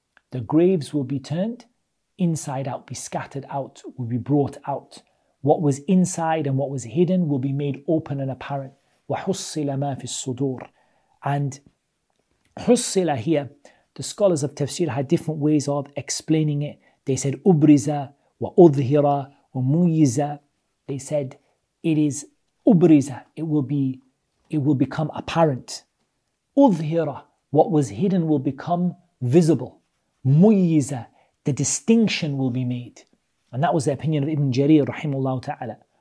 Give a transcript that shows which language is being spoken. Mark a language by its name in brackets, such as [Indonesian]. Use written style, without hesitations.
[English] The graves will be turned inside out, be scattered out, will be brought out. What was inside and what was hidden will be made open and apparent. [Arabic] وَحُصِّلَ مَا فِي الصُّدُورِ. [English] And حُصِّلَ here, the scholars of tafsir had different ways of explaining it. They said [Arabic] أُبْرِزَ وَأُظْهِرَ وَمُيِّزَ. [English] They said it is أُبْرِزَ, it will become apparent. أُظْهِرَ, what was hidden will become visible. مُيِّزَ, the distinction will be made. And that was the opinion of Ibn Jarir rahimahullah ta'ala.